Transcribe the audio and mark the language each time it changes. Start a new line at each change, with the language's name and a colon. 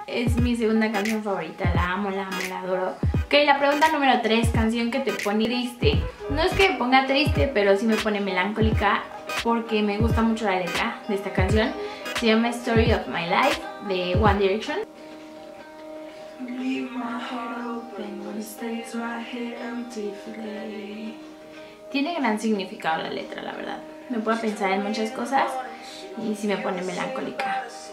Spanish: Es mi segunda canción favorita. La amo, la adoro. Ok, la pregunta número 3, canción que te pone triste. No es que me ponga triste, pero sí me pone melancólica, porque me gusta mucho la letra de esta canción. Se llama Story of My Life de One Direction.
English: Leave my heart open, stays right here empty today.
Spanish: Tiene gran significado la letra, la verdad. Me puedo pensar en muchas cosas y si me pone melancólica.